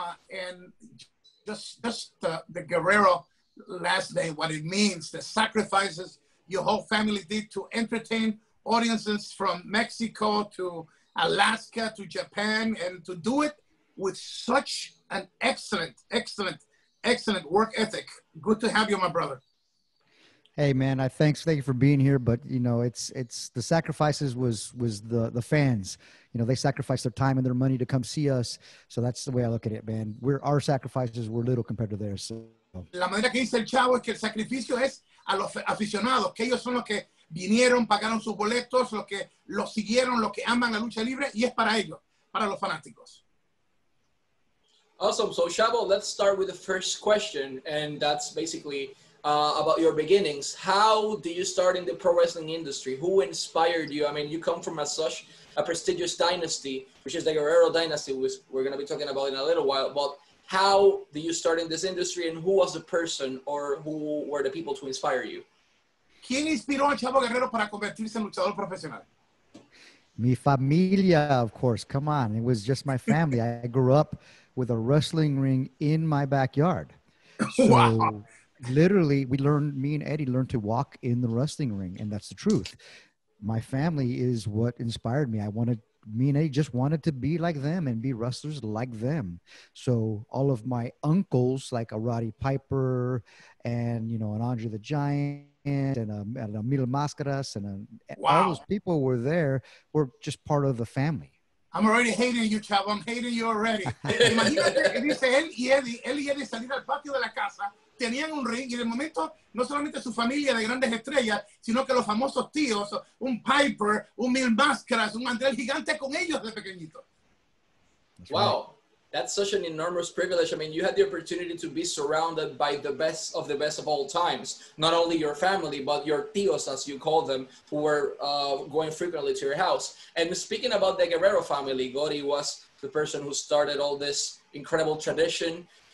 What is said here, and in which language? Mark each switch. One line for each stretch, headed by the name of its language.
English: And just the Guerrero last day, what it means, the sacrifices your whole family did to entertain audiences from Mexico to Alaska to Japan, and to do it with such an excellent work ethic. Good to have you, my brother. Hey, man, thank you for being here. But, you know, it's the sacrifices was the fans. You know, they sacrificed their time and their money to come see us. So that's the way I look at it, man. Our sacrifices were little compared to theirs. So.
Spanish: La manera que dice el Chavo es que el sacrificio es a los aficionados, que ellos son los que vinieron, pagaron sus boletos, los que los siguieron, los que aman la lucha libre, y es para ellos, para los fanáticos.
English: Awesome. So, Chavo, let's start with the first question, and that's basically about your beginnings. How did you start in the pro wrestling industry? Who inspired you? I mean, you come from a prestigious dynasty, which is the Guerrero dynasty, which we're going to be talking about in a little while, but how did you start in this industry, and who was the person or who were the people to inspire you?
Spanish: ¿Quién inspiró a Chavo Guerrero para convertirse en luchador profesional? Mi familia,
English: of course. Come on. It was just my family. I grew up with a wrestling ring in my backyard. So wow. Literally, me and Eddie learned to walk in the wrestling ring, and that's the truth. My family is what inspired me. Me and Eddie just wanted to be like them and be wrestlers like them. So all of my uncles, like a Roddy Piper and, you know, an Andre the Giant and a Mil Máscaras and all those people were there, were just part of the family. I'm already hating you, Chavo. I'm hating you already.
Spanish: Imagínate, dice él y Eddie salir al patio de la casa, tenían un ring, y en el momento, no solamente su familia de grandes estrellas, sino que los famosos tíos, un Piper, un Mil Máscaras, un Andrés Gigante con ellos de pequeñito.
English: Wow, that's such an enormous privilege. I mean, you had the opportunity to be surrounded by the best of all times. Not only your family, but your tíos, as you call them, who were going frequently to your house. And speaking about the Guerrero family, Gori was the person who started all this incredible tradition.